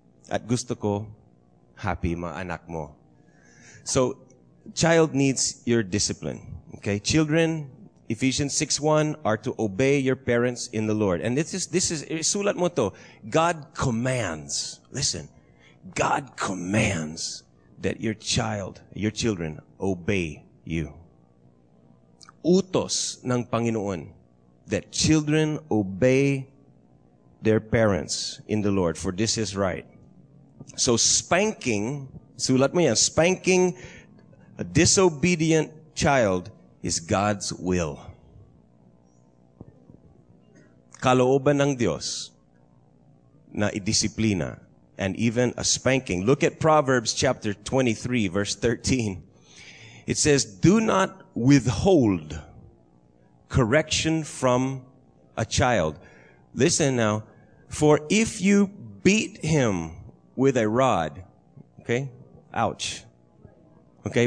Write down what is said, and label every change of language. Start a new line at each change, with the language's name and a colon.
Filipino: At gusto ko, happy mga anak mo.
English: So, child needs your discipline. Okay, children, Ephesians 6:1, are to obey your parents in the Lord. And this is
Filipino: sulat mo to.
English: God commands, listen, God commands that your children, obey you.
Filipino: Utos ng Panginoon
English: that children obey their parents in the Lord, for this is right. So spanking,
Filipino: sulat mo yan,
English: spanking a disobedient child is God's will.
Filipino: Kalooban ng Diyos na idisiplina.
English: And even a spanking. Look at Proverbs chapter 23, verse 13. It says, do not withhold correction from a child. Listen now. For if you beat him with a rod, okay? Ouch. Okay?